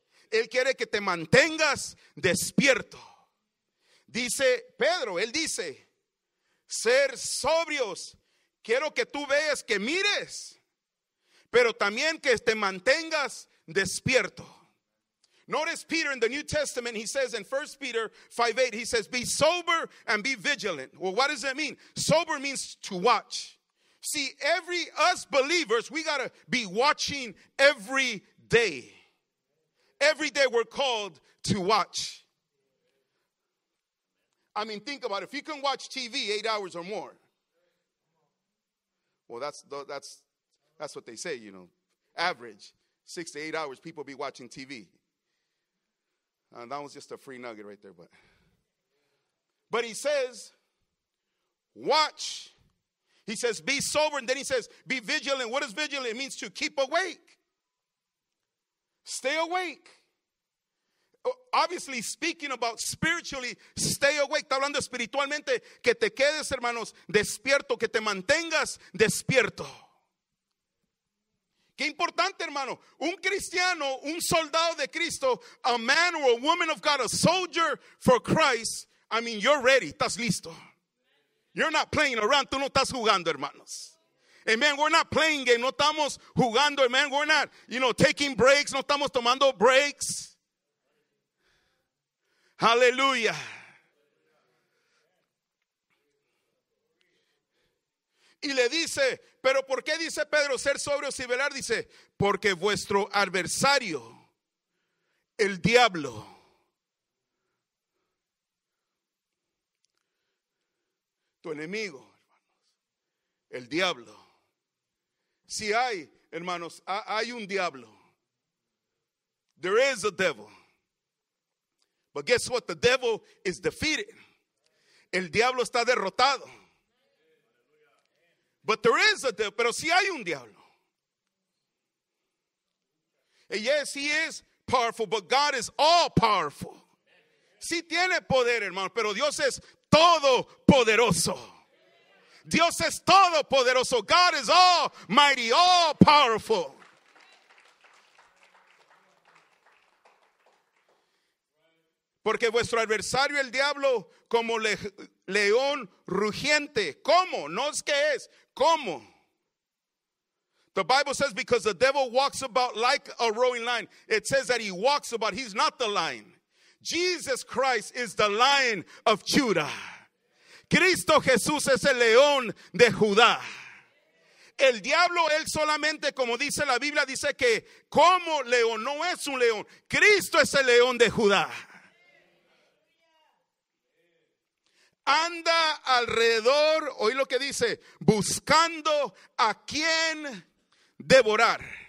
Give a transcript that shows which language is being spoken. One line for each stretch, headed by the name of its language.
Spanish: Él quiere que te mantengas despierto. Dice Pedro, él dice, ser sobrios. Quiero que tú veas, que mires, pero también que te mantengas despierto.
English: Notice Peter in the New Testament, he says in 1 Peter 5:8, he says, be sober and be vigilant. Well, what does that mean? Sober means to watch. See, us believers, we got to be watching every day. Every day we're called to watch. I mean, think about it. If you can watch TV 8 hours or more. Well, that's what they say, you know. Average, 6 to 8 hours, people be watching TV. That was just a free nugget right there. But he says, watch. He says, be sober. And then he says, be vigilant. What is vigilant? It means to keep awake. Stay awake. Obviously, speaking about spiritually, stay awake.
Spanish: Está hablando espiritualmente. Que te quedes, hermanos, despierto. Que te mantengas despierto. Qué importante, hermano. Un cristiano, un soldado de Cristo,
English: a man or a woman of God, a soldier for Christ, I mean, you're ready.
Spanish: Estás listo.
English: You're not playing around.
Spanish: Tú no estás jugando, hermanos. Amen.
English: We're not playing game.
Spanish: No estamos jugando, amen.
English: We're not, you know, taking breaks.
Spanish: No estamos tomando breaks.
English: Hallelujah.
Spanish: Y le dice, pero ¿por qué dice Pedro ser sobrios y velar? Dice, porque vuestro adversario, el diablo, tu enemigo, hermanos, el diablo. Si hay, hermanos, hay un diablo.
English: There is a devil. But guess what? The devil is defeated.
Spanish: el diablo está derrotado.
English: But there is a devil,
Spanish: pero sí hay un diablo.
English: And yes, he is powerful, but God is all powerful.
Spanish: Sí tiene poder, hermano, pero Dios es todopoderoso. Dios es todopoderoso.
English: God is almighty, all powerful.
Spanish: Porque vuestro adversario, el diablo, como león rugiente. ¿Cómo? No es que es. ¿Cómo?
English: The Bible says, because the devil walks about like a roaring lion. It says that he walks about. He's not the lion. Jesus Christ is the lion of Judah.
Spanish: Cristo Jesús es el león de Judá. El diablo, él solamente, como dice la Biblia, dice que como león, no es un león. Cristo es el león de Judá. Anda alrededor, oí lo que dice, buscando a quien devorar.